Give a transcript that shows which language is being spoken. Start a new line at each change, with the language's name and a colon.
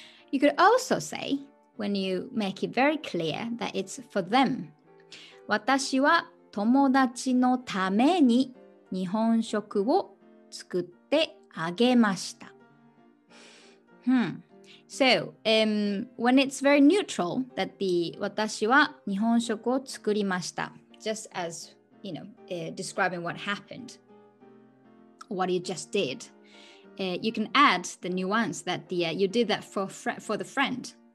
English: You could also say, when you make it very clear, that it's for them.
Japanese: 私は友達のために日本食を作ってあげました.
English: So, when it's very neutral, that the
Japanese: 私は日本食を作りました,
English: just as, you know, describing what happened, what you just did, you can add the nuance that the you did that for the friend.